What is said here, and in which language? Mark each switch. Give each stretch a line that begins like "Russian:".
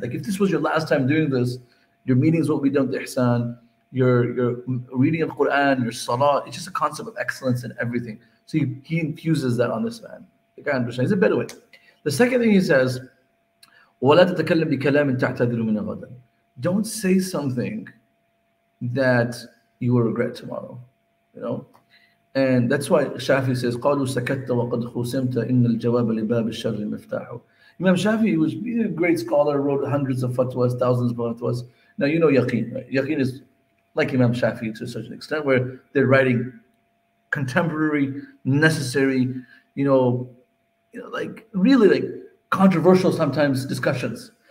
English: Like if this was your last time doing this, your meetings will be done with ihsan, your reading of Quran, your salah, it's just a concept of excellence in everything. So he infuses that on this man. The guy understands. He's a Bedouin. The second thing he says,
Arabic: وَلَا تَتَكَلَّمْ بِكَلَامٍ تَعْتَذِرُ مِنَ غَدًا.
English: Don't say something that you will regret tomorrow, you know? And that's why Shafi says,
Arabic: قَالُوا سَكَتَّ وَقَدْ خُسِمْتَ إِنَّ الْجَوَابَ لِبَابِ الشَّرِّ مِفْتَاحُ.
English: Imam Shafi, he was a great scholar, wrote hundreds of fatwas, thousands of fatwas. Now, you know Yaqeen, right? Yaqeen is like Imam Shafi to such an extent where they're writing contemporary, necessary, you know, like really like controversial sometimes discussions.